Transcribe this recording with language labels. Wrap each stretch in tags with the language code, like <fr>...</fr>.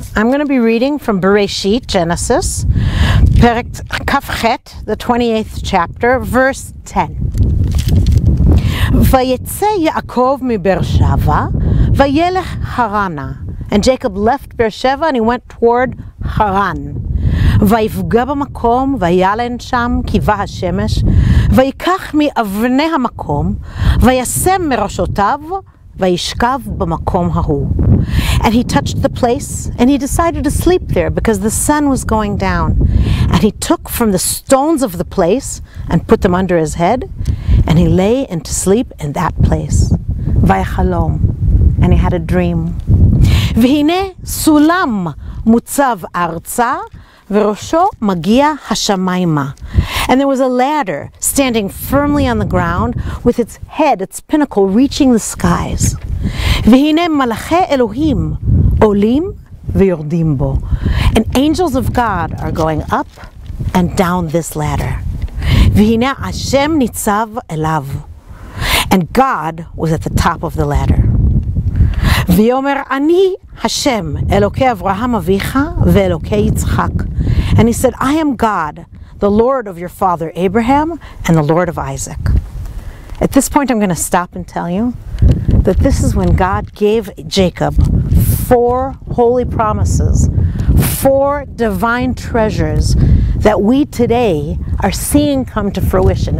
<en>I'm going to be reading from Bereshit, Genesis, Perek Kafchet, the 28th chapter, verse 10.</en> <he>Vayetze Yaakov mi Beersheva, vayelech Harana.</he> <en>And Jacob left Beersheva and he went toward Haran.</en> <he>ויפגע במקום ויעלן שם כיווה השמש ויקח מאבני המקום וישם מראשותיו וישכב במקום ההוא.</he> <en>And he touched the place and he decided to sleep there because the sun was going down. And he took from the stones of the place and put them under his head and he lay into sleep in that place.</en> <he>ויחלום.</he> <en>And he had a dream.</en> <he>והנה סולם מוצב ארצה וראשו מגיע השמיימה.</he> <en>And there was a ladder standing firmly on the ground with its head, its pinnacle, reaching the skies.</en> <he>והנה מלאכי אלוהים עולים ויורדים בו.</he> <en>And angels of God are going up and down this ladder.</en> <he>והנה השם ניצב אליו.</he> <en>And God was at the top of the ladder.</en> <he>ויאמר אני השם אלוקי אברהם אביך ואלוקי יצחק.</he> <en>And he said, I am God, the Lord of your father Abraham and the Lord of Isaac. At this point, I'm going to stop and tell you that this is when God gave Jacob four holy promises, four divine treasures that we today are seeing come to fruition.</en>